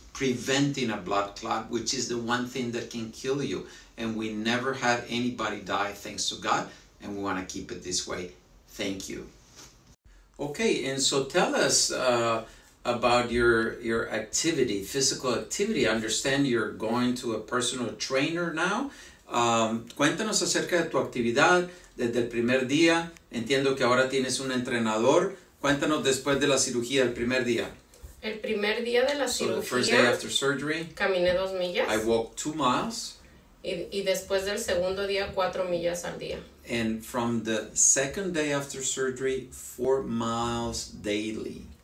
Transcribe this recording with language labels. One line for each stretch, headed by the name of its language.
English: Preventing a blood clot, which is the one thing that can kill you. And we never had anybody die, thanks to God, and we want to keep it this way. Thank you. Okay, and so tell us about your activity, physical activity. I understand you're going to a personal trainer now.
Spanish: Cuéntanos acerca de tu actividad desde el primer día. Entiendo que ahora tienes un entrenador. Cuéntanos después de la cirugía el primer día. El primer día de la cirugía,
English: so the first day after surgery,
Spanish: caminé 2 millas.
English: I walked 2 miles.
Spanish: Y después del segundo día, 4 millas al día.
English: And from the second day after surgery, 4 miles daily.